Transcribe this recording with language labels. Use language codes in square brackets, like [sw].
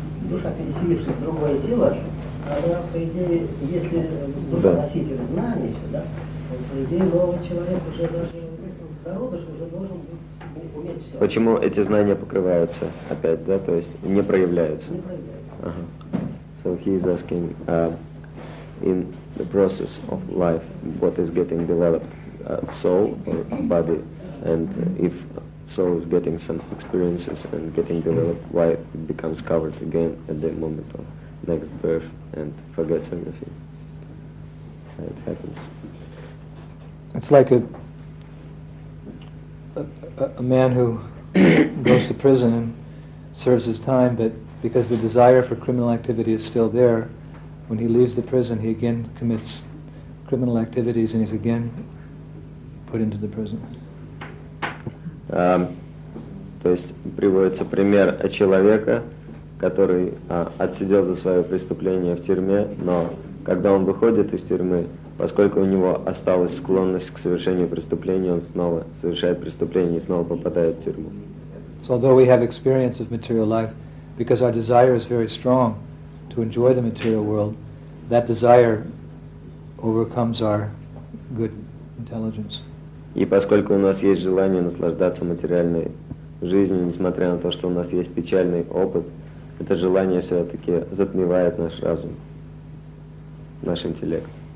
[ru] Душа, переселившись в другое тело, она, по идее, если душа да. носитель знаний, да, то, по идее, новый человек уже даже зародыш уже должен быть, уметь все. Почему эти знания покрываются опять, да? То есть не проявляются? Не проявляются. Ага. [en] So he is asking, in the process of life, what is getting developed, soul or body, and if soul is getting some experiences and getting developed, why it becomes covered again at the moment of next birth and forgets everything? It happens. It's like a man who goes to prison and serves his time, but because the desire for criminal activity is still there, when he leaves the prison, he again commits criminal activities and he's again put into the prison. [ru] То есть приводится пример человека, который отсидел за свое преступление в тюрьме, но когда он выходит из тюрьмы, поскольку у него осталась склонность к совершению преступления, он снова совершает преступление и снова попадает в тюрьму. [en] So although we have experience of material life, because our desire is very strong to enjoy the material world, that desire overcomes our good intelligence. [ru] И поскольку у нас есть желание наслаждаться материальной жизнью, несмотря на то, что у нас есть печальный опыт, это желание все-таки затмевает наш разум, наш интеллект.